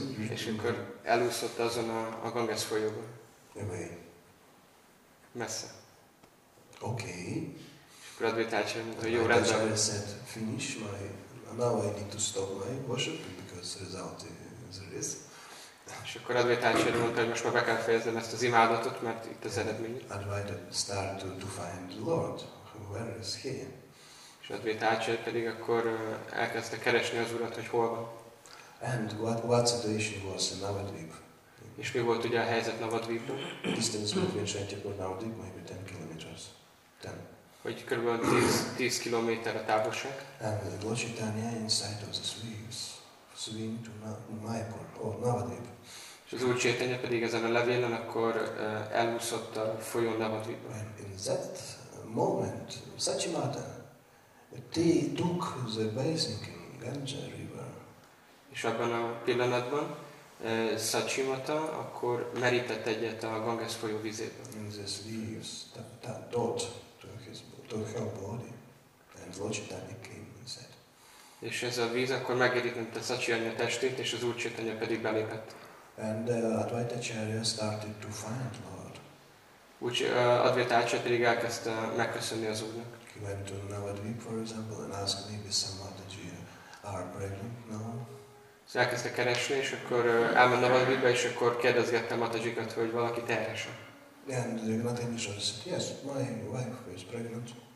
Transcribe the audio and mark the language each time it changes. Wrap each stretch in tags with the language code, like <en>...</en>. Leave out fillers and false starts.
<hu>És akkor elúszott azon a Ganges folyóba.</hu> <en>Away.</en> <hu>Messze.</hu> <en>Okay.</en> <hu>És akkor Advaita Acharya, jó rendben.</hu> <en>Advaita Acharya said, finish my... Now I need to stop my worship, because result there is.</en> <hu>És akkor Advaita Acharya mondta, hogy most már be kell fejeznem ezt az imádatot, mert itt az eredmény.</hu> <en>Advaita started to find the Lord. Where is he?</en> <hu>És Advaita Acharya pedig akkor elkezdte keresni az Urat, hogy hol van.</hu> <en>And what situation was in Navadvip?</en> <hu>És mi volt ugye a helyzet Navadvipban?</hu> <en>Distance between Shantyapur and Navadvip, maybe 10 kilometers.</en> <hu>Hogy körülbelül 10 kilométer a távolság.</hu> <en>And Lord Chaitanya inside of the leaves, swing to Mayapur or Navadvip.</en> <hu>És az Úr Chaitanya pedig ezen a levélen akkor elúszott a folyón Navadvipba.</hu> <en>And in that moment, Sachimata took the basin in Ganga River.</en> <hu>És abban a pillanatban Sachimata akkor merített egyet a Ganges folyó vizében.</hu> <en>In this leaves, that dot to her body, and Lord Chaitanya came inside.</en> <hu>És ez a víz akkor megérintette Sachimata testét, és az Úr Chaitanya pedig belépett.</hu> <en>And Advaita Acharya started to find Lord.</en> <hu>Úgy Advaita Acharya pedig elkezdte megköszönni az Úrnak.</hu> <en>He went to Navadvip, for example, and asked maybe some Mataji are pregnant now.</en> <hu>És elkezdte keresni, és akkor elment Navadvipbe, és akkor kérdezgette Matajikat, hogy valaki terhes.</hu> <en>And the Matajji said, yes, my wife is pregnant.</en>